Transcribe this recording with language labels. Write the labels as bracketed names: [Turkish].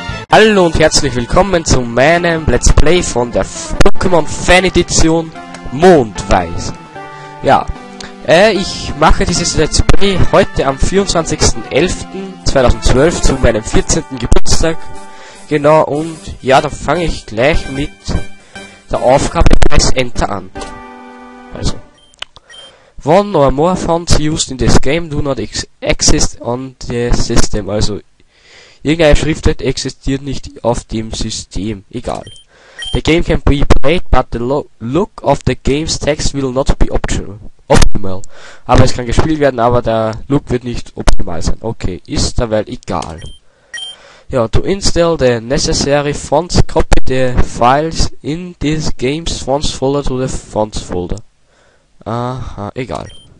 [German] Hallo und herzlich willkommen zu meinem Let's Play von der Pokémon Fan Edition Mondweiß. Ja, ich mache dieses Let's Play heute am 24.11.2012 zu meinem 14. Geburtstag. Genau, und ja, dann fange ich gleich mit der Aufgabe Press Enter an. [English] Also, one or more funds used in this game do not exist on the system. [German] Also, irgendeine Schriftart existiert nicht auf dem System. Egal. [English] The game can be played, but the look of the game's text will not be optimal. [German] Aber es kann gespielt werden, aber der Look wird nicht optimal sein. Okay, ist dabei egal. Ja, [English] to install the necessary fonts, copy the files in this game's fonts folder to the fonts folder. [German] Aha, egal.